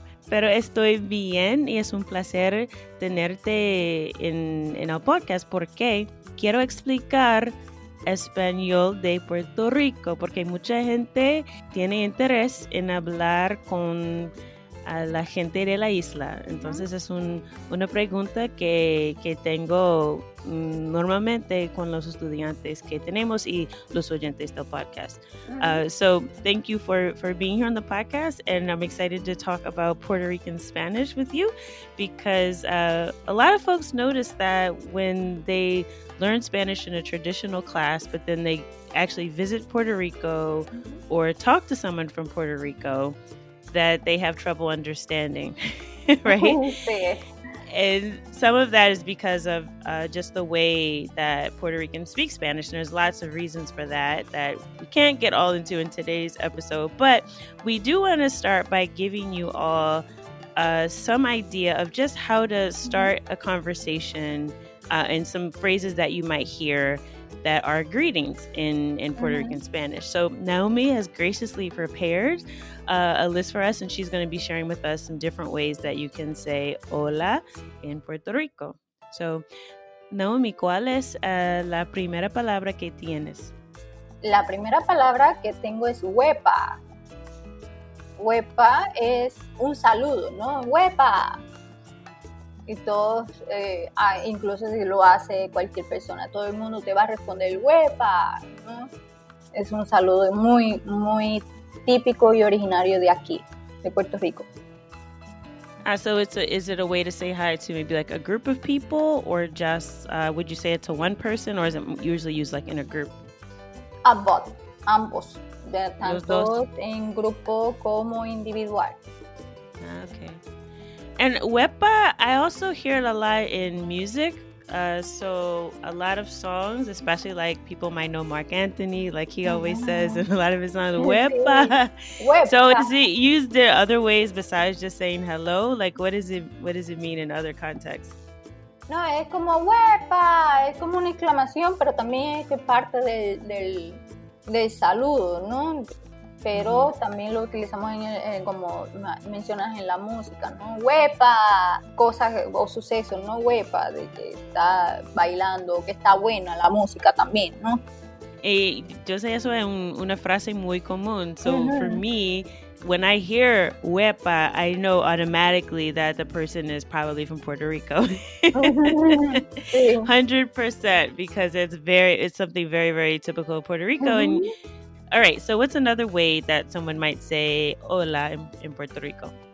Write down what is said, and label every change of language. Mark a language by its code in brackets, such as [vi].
[es] Pero estoy bien y es un placer tenerte en el podcast, porque quiero explicar español de Puerto Rico, porque mucha gente tiene interés en hablar con a la gente de la isla. Entonces es una pregunta que tengo normalmente con los estudiantes que tenemos y los oyentes del podcast. [en] So thank you for being here on the podcast, and I'm excited to talk about Puerto Rican Spanish with you, because a lot of folks notice that when they learn Spanish in a traditional class, but then they actually visit Puerto Rico or talk to someone from Puerto Rico, that they have trouble understanding, right? And some of that is because of just the way that Puerto Ricans speak Spanish. And there's lots of reasons for that that we can't get all into in today's episode. But we do want to start by giving you all some idea of just how to start a conversation and some phrases that you might hear that are greetings in Puerto Rican Spanish. So Naomi has graciously prepared a list for us, and she's going to be sharing with us some different ways that you can say hola in Puerto Rico. [es] So Naomi, ¿cuál es la primera palabra que tienes? La primera palabra que tengo es huepa. Huepa es un saludo, ¿no? Huepa. Y todos, incluso si lo hace cualquier persona, todo el mundo te va a responder huepa, ¿no? Es un saludo muy, muy típico y originario de aquí, de Puerto Rico. [en] Ah, so is it a way to say hi to maybe like a group of people, or just, would you say it to one person, or is it usually used like in a group? [es] A both, ambos, tanto en grupo como individual. [en] Ah, okay. And huepa, I also hear it a lot in music. So a lot of songs, especially like people might know Marc Anthony, like he always says in a lot of his songs, huepa. So is it used in other ways besides just saying hello? Like what does it mean in other contexts? [es] No, es como huepa, es como una exclamación, pero también es que parte del saludo, ¿no? Pero también lo utilizamos como mencionas en la música, ¿no? Huepa, cosas o sucesos, ¿no? Huepa, de que está bailando, que está buena la música también, ¿no? Yo sé, eso es una frase muy común. [en] So for me, when I hear huepa, I know automatically that the person is probably from Puerto Rico. 100%, because it's something very, very typical of Puerto Rico. And all right, so what's another way that someone might say hola in Puerto Rico?